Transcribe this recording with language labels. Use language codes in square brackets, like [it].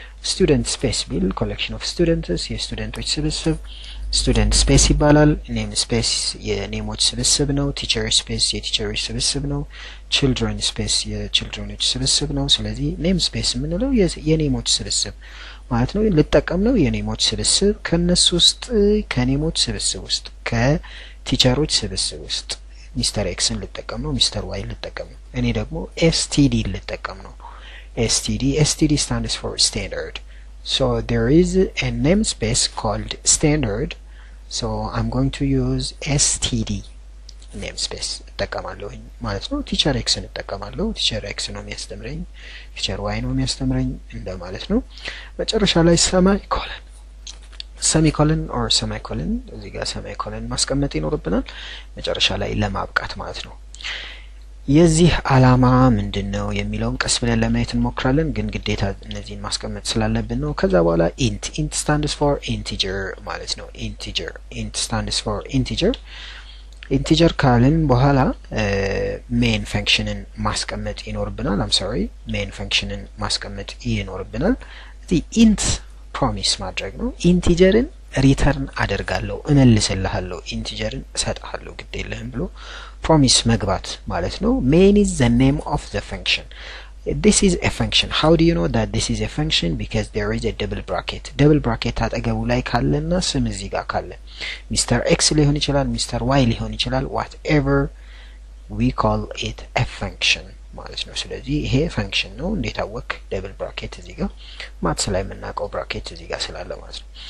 [am] ስቱደንት ስፔስ ቢል ኮሌክሽን ኦፍ ስቱደንትስ የስቱደንቶች ስብስብ student space ይባላል። name space የኔሞች ስብስብ ነው። teacher space የቲቸሮች ስብስብ ነው። children space የchildrenች ስብስብ ነው። ስለዚህ name space የምንለው የኔሞች ስብስብ ማለት ነው። ልጠቀም ነው የኔሞች ስብስብ ከነሱ ውስጥ ከኔሞች ስብስብ ውስጥ ከቲቸሮች ስብስብ ውስጥ ሚስተር x ን ልጠቀም ነው፣ ሚስተር y ልጠቀም ነው። እኔ ደግሞ std ልጠቀም ነው። std [en] std stands for standard. So there is a namespace called standard. So I'm going to use std namespace [am] እጠቀማለሁ ማለት ነው። teacher x ን እጠቀማለሁ። teacher x ነው የሚያስተምረኝ፣ teacher y ነው የሚያስተምረኝ እንደ ማለት ነው። መጨረሻ ላይ semicolon semicolon or semicolon እዚህ ጋር semicolon ማስቀመጥ ይኖርብናል መጨረሻ ላይ ለማብቃት ማለት ነው። የዚህ አላማ ምንድነው የሚለውን ቀስ ብለን ለማየት እንሞክራለን። ግን ግዴታ እነዚህን ማስቀመጥ ስላለብን ነው። ከዛ በኋላ int [en] int stands for integer [am] ማለት ነው። integer int stands for integer integer ካልን በኋላ main functionን ማስቀመጥ ይኖርብናል። [en] I'm sorry [am] main functionን ማስቀመጥ ይኖርብናል። እዚህ int promise ማድረግ ነው። integerን ሪተርን አደርጋለሁ እመልስልሃለሁ፣ ኢንቲጀርን እሰጥሃለሁ ግዴለህም ብሎ ፕሮሚስ መግባት ማለት ነው። [en] main is the name of the function. this is a function. how do you know that this is a function? because there is a double bracket. [am] double bracket አጠገቡ ላይ ካለና ስም እዚህ ጋር ካለ Mr. X ሊሆን ይችላል፣ Mr. Y ሊሆን ይችላል። [en] whatever we call it a function [am] ማለት ነው። ስለዚህ ይሄ ፈንክሽን ነው። እንዴት አወቅ? ደብል ብራኬት እዚህ ጋር ማትስ ላይ የምናውቀው ብራኬት እዚህ ጋር ስላለ ማለት ነው።